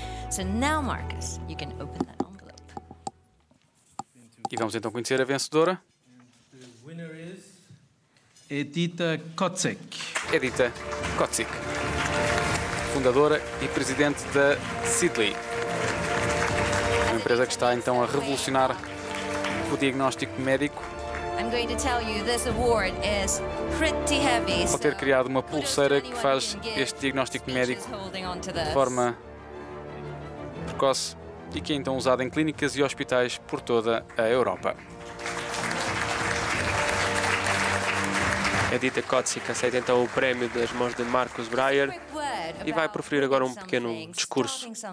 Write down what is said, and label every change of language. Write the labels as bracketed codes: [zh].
[en] So now, Markus, you can open that envelope. [pt] E vamos então conhecer a vencedora. [en] And the winner is Edita Kotsik. [pt] Edita Kotsik, fundadora e presidente da Sidley, uma empresa que está então a revolucionar o diagnóstico médico. [en] I'm going to tell you this award is pretty heavy. [pt] Ao ter criado uma pulseira que faz este diagnóstico médico de forma e que é então usada em clínicas e hospitais por toda a Europa. Edita Kotsik aceita então o prémio das mãos de Markus Beyerer e vai proferir agora um pequeno discurso.